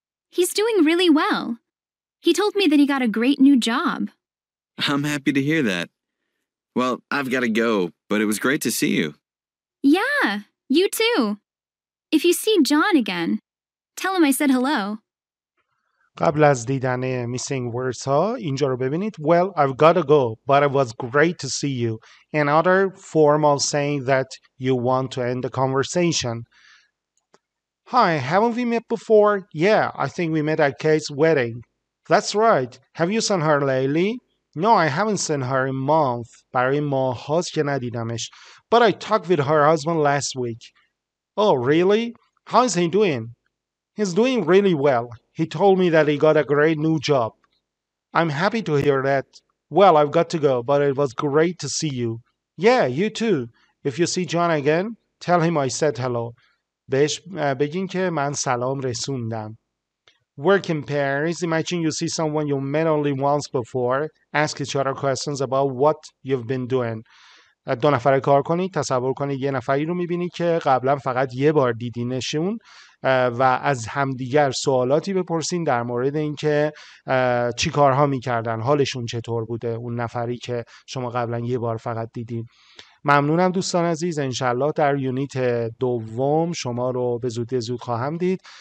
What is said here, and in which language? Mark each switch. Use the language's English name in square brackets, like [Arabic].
[English] He's doing really well. He told me that he got a great new job. I'm happy to hear that. Well, I've got to go, but it was great to see you. Yeah, you too. If you see John again, tell him I said hello. [Persian] قبل از دیدن [English] missing words [Persian] ها اینجا رو ببینید. [English] Well, I've got to go, but it was great to see you. Another formal saying that you want to end the conversation. Hi, haven't we met before? Yeah, I think we met at Kate's wedding. That's right. Have you seen her lately? No, I haven't seen her in months. [Persian] برای ماه‌هاست که ندیدمش. [English] But I talked with her husband last week. Oh, really? How is he doing? He's doing really well. He told me that he got a great new job. I'm happy to hear that. Well, I've got to go, but it was great to see you. Yeah, you too. If you see John again, tell him I said hello. [Persian] بهش بگین که من سلام رسوندم. [English] Work in pairs. Imagine you see someone you met only once before. Ask each other questions about what you've been doing. [Persian] دو نفره کار کنید. تصور کنید یه نفری رو میبینید که قبلا فقط یه بار دیدینشون و از همدیگر سوالاتی بپرسین در مورد اینکه چی کارها میکردن. حالشون چطور بوده اون نفری که شما قبلا یه بار فقط دیدین. ممنونم دوستان عزیز. انشالله در یونیت دوم شما رو به زودی زود خواهم دید.